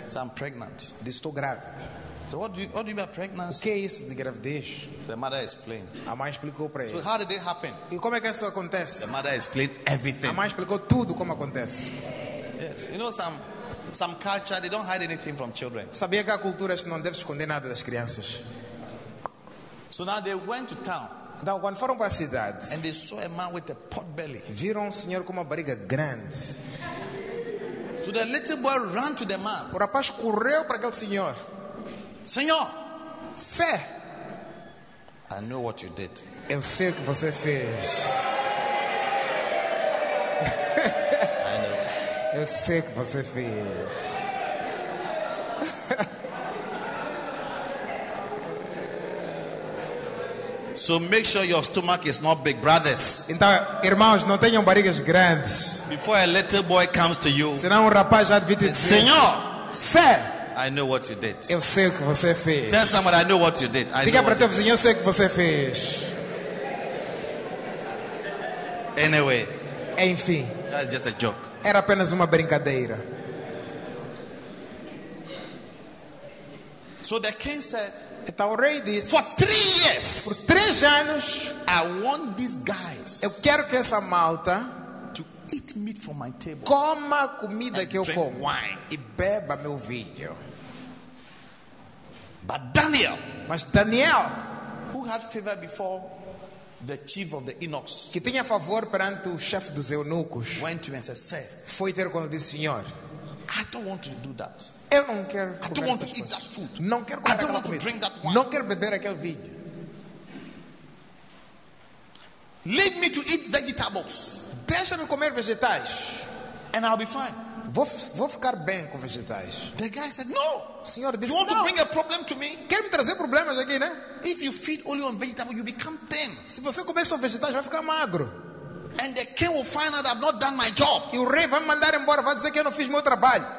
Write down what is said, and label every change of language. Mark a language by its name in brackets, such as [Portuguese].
[English] So I'm pregnant. [Portuguese] Diz, estou grávida. [English] So what do you mean pregnant? [Portuguese] O que é isso de gravidez? [English] So the mother explained. [Portuguese] A mãe explicou para ele. [English] So how did it happen? [Portuguese] E como é que isso acontece? [English] The mother explained everything. [Portuguese] A mãe explicou tudo como acontece. [English] Yes, you know some culture they don't hide anything from children. [Portuguese] Sabia que a cultura não deve esconder nada das crianças. [English] So now they went to town. [Portuguese] Então, quando foram para a cidade, [English] and they saw a man with a pot belly. [Portuguese] Viram um senhor com uma barriga grande. [English] So the little boy ran to the man. [Portuguese] O rapaz correu para aquele senhor. Senhor, [English] sir, I know what you did. [Portuguese] Eu sei o que você fez. [English] I know. [Portuguese] Eu sei o que você fez. [English] So make sure your stomach is not big, brothers. [Portuguese] Então, irmãos, não tenham barrigas grandes. [English] Before a little boy comes to you. [Portuguese] Senão um rapaz já devia dizer, Senhor, [English] sir, I know what you did. [Portuguese] Eu sei o que você fez. [English] Tell someone I know what you did. [Portuguese] Diga para teu vizinho, eu sei o que você fez. [English] Anyway. [Portuguese] Enfim. [English] That's just a joke. [Portuguese] Era apenas uma brincadeira. [English] So the king said, [Portuguese] então, o rei disse, [English] for 3 years, [Portuguese] por 3 anos, [English] I want these guys, [Portuguese] eu quero que essa malta, [English] to eat meat from my table, [Portuguese] coma comida que eu como, [English] wine, [Portuguese] e beba meu vinho. [English] But Daniel, [Portuguese] mas Daniel, [English] who had favor before the chief of the eunuchs, [Portuguese] que tinha favor perante o chefe dos eunucos, [English] went to him and said, "Sir, [Portuguese] foi ter com ele, senhor, [English] I don't want to do that. [Portuguese] Eu não quero. [English] I don't want to eat that food. [Portuguese] Não quero comer. [English] I don't want to drink that wine. [Portuguese] Não quero beber aquele vinho. [English] Leave me to eat vegetables. [Portuguese] Deixa-me comer vegetais. [English] And I'll be fine. [Portuguese] Vou ficar bem com vegetais." [English] The guy said, "No. [Portuguese] Senhor, disse, [English] you want [Portuguese] não. [English] to bring a problem to me? [Portuguese] Quer me trazer problemas aqui, né? [English] If you feed only on vegetables, you become thin. [Portuguese] Se você comer só vegetais, vai ficar magro. [English] And the king will find out I've not done my job. [Portuguese] E o rei vai mandar embora, vai dizer que eu não fiz meu trabalho.